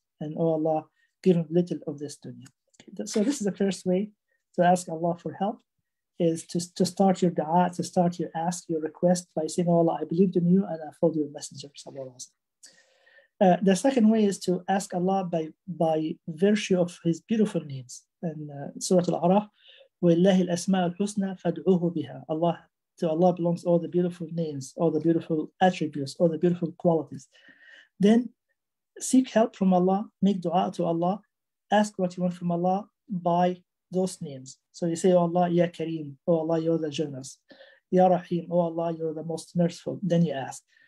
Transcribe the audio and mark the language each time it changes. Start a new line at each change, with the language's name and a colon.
English: And oh Allah, give him little of this dunya. So this is the first way to ask Allah for help, is to start your dua, to start your ask, your request by saying, oh Allah, I believe in you and I follow your messenger, sallallahu alayhi wa sallam. The second way is to ask Allah by virtue of His beautiful names. And Surah Al-Araf,
Arabic: وَاللَّهِ الْأَسْمَاءُ الْحُسْنَى فَادْعُوهُ بِهَا.
English: Allah, to Allah belongs all the beautiful names, all the beautiful attributes, all the beautiful qualities. Then seek help from Allah, make dua to Allah, ask what you want from Allah by those names. So you say, oh Allah, Ya Kareem, oh Allah, you're the generous. Ya Rahim, oh Allah, you're the most merciful. Then you ask.